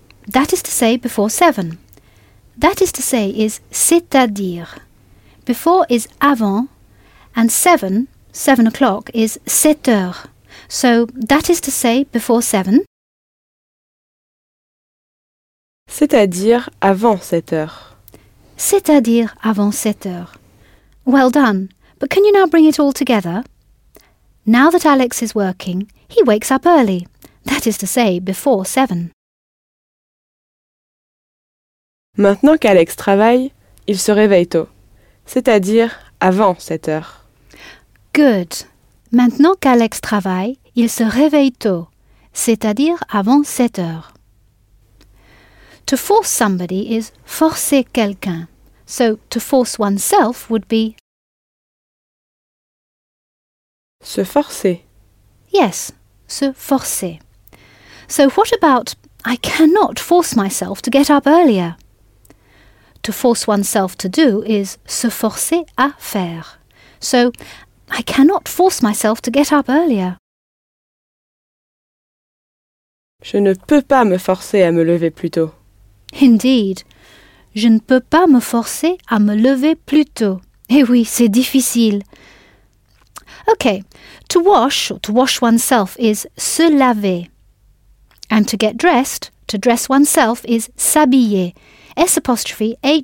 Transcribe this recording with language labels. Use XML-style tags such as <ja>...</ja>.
<en>That is to say, before seven. That is to say is c'est-à-dire. Before is avant, and seven o'clock, is 7 heures. So, that is to say, before seven.</en> <fr>C'est-à-dire avant 7 heures. C'est-à-dire avant 7 heures.</fr> <en>Well done. But can you now bring it all together? Now that Alex is working, he wakes up early. That is to say, before 7.</en> <fr>Maintenant qu'Alex travaille, il se réveille tôt. C'est-à-dire avant 7 heures.</fr> <en>Good.</en> <fr>Maintenant qu'Alex travaille, il se réveille tôt. C'est-à-dire avant 7 heures.</fr> <en>To force somebody is</en> <fr>forcer quelqu'un.</fr> <en>So, to force oneself would be</en> <fr>se forcer.</fr> <en>Yes,</en> <fr>se forcer.</fr> <en>So, what about I cannot force myself to get up earlier? To force oneself to do is</en> <fr>se forcer à faire.</fr> <en>So, I cannot force myself to get up earlier.</en> <fr>Je ne peux pas me forcer à me lever plus tôt.</fr> <en>Indeed.</en> <fr>Je ne peux pas me forcer à me lever plus tôt. Eh oui, c'est difficile.</fr> <en>Okay, to wash or to wash oneself is se laver. And to dress oneself is s'habiller. S'HABILLER.</en>